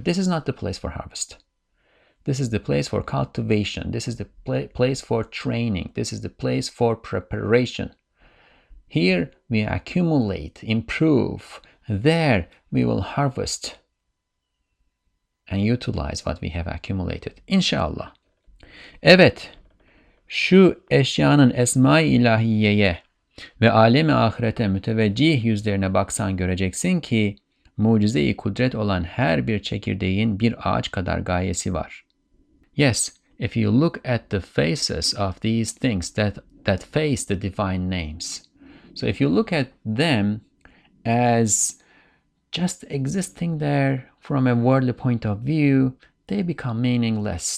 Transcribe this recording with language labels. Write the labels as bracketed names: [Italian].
[English] This is not the place for harvest. This is the place for cultivation. This is the place for training. This is the place for preparation. Here we accumulate, improve. There we will harvest and utilize what we have accumulated. [Turkish] İnşallah. Evet, şu eşyanın esma-i ilahiyeye ve alemi ahirete müteveccih yüzlerine baksan göreceksin ki mucize-i kudret olan her bir çekirdeğin bir ağaç kadar gayesi var. [English] Yes, if you look at the faces of these things that face the divine names. So if you look at them as just existing there from a worldly point of view, they become meaningless.